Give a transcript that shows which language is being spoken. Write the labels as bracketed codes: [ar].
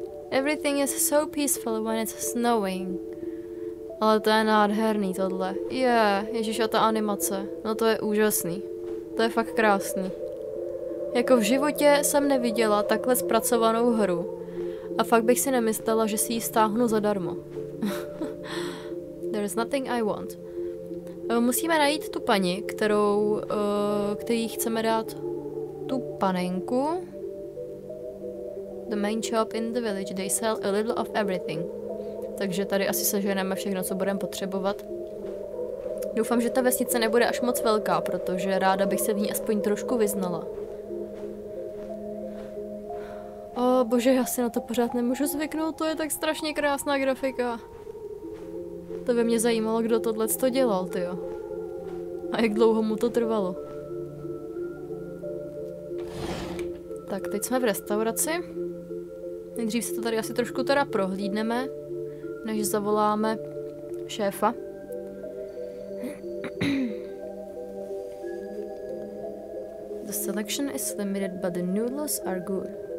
[en] Everything is so peaceful when it's snowing. [cs] Ale to je nádherný tohle. Já, ježiši, a ta animace. No to je úžasný. To je fakt krásný. Jako v životě jsem neviděla takhle zpracovanou hru. A fakt bych si nemyslela, že si ji stáhnu zadarmo. [en] There is nothing I want. [cs] Musíme najít tu paní, který chceme dát tu panenku. [en] The main shop in the village, they sell a little of everything. [cs] Takže tady asi seženeme všechno, co budeme potřebovat. Doufám, že ta vesnice nebude až moc velká, protože ráda bych se v ní aspoň trošku vyznala. Bože, já si na to pořád nemůžu zvyknout, to je tak strašně krásná grafika. To by mě zajímalo, kdo tohle to dělal, tyjo. A jak dlouho mu to trvalo. Tak, teď jsme v restauraci. Nejdřív se to tady asi trošku teda prohlídneme, než zavoláme šéfa. [en] The selection is limited, but the noodles are good.